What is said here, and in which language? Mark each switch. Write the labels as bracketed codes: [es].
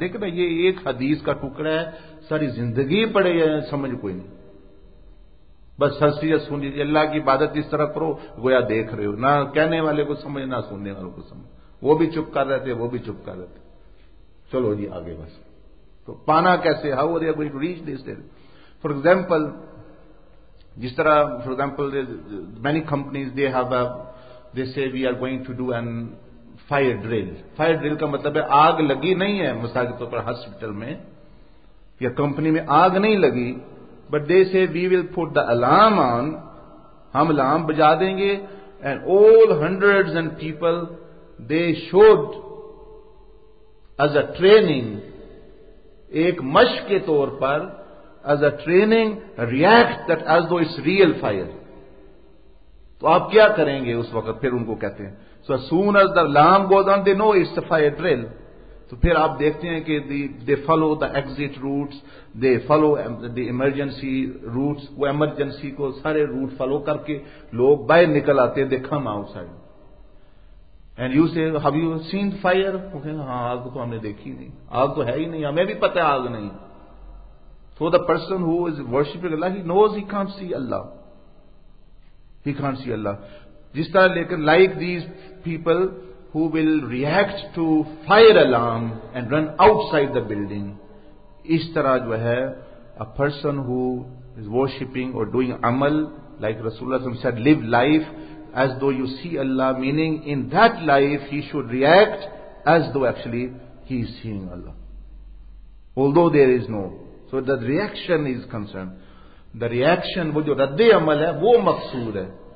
[ur] دیکھیں بھائی یہ ایک حدیث کا ٹکڑا ہے, ساری زندگی پڑے ہیں سمجھ کوئی نہیں, بس ہنسی سن لیجیے. اللہ کی عبادت اس طرح کرو گویا دیکھ رہے ہو, نہ کہنے والے کو سمجھ نہ سننے والوں کو سمجھ, وہ بھی چپ کر رہے تھے وہ بھی چپ کر رہے تھے. [en] چلو جی آگے بس. [ur] تو پانا کیسے, [en] How are you going to reach this. For example [ur] جس طرح [en] For example many companies they have they say we are going to do an fire drill. [ur] Fire drill کا مطلب ہے آگ لگی نہیں ہے مساجدوں پر ہاسپٹل میں یا کمپنی میں آگ نہیں لگی, [en] but they say we will put the alarm on, [ur] ہم الارم بجا دیں گے [en] and all hundred and people they should as a training, [ur] ایک مشق کے طور پر [en] As a training react that as though it's real fire. [ur] تو آپ کیا کریں گے اس وقت, پھر ان کو کہتے ہیں [en] So soon as the alarm goes on they know it's a fire drill. [ur] تو پھر آپ دیکھتے ہیں کہ [en] they follow the exit routes, they follow the emergency routes, [ur] وہ ایمرجنسی کو سارے روٹ فالو کر کے لوگ باہر نکل آتے ہیں, [en] they come outside and you say have you seen fire, [ur] ہاں آگ تو ہم نے دیکھی نہیں, آگ تو ہے ہی نہیں, ہمیں بھی پتا ہے آگ نہیں. [en] So the person who is worshipping Allah he knows he can't see Allah, he can't see Allah. [ur] جس طرح لیکن [en] like these people who will react to fire alarm and run outside the building, [ur] is tarah jo hai [en] a person who is worshipping or doing amal like Rasulullah said, live life as though you see Allah, meaning in that life he should react as though actually he is seeing Allah although there is no, so the reaction is concerned, the reaction [ur] wo jo radd-e amal hai wo maqsood hai.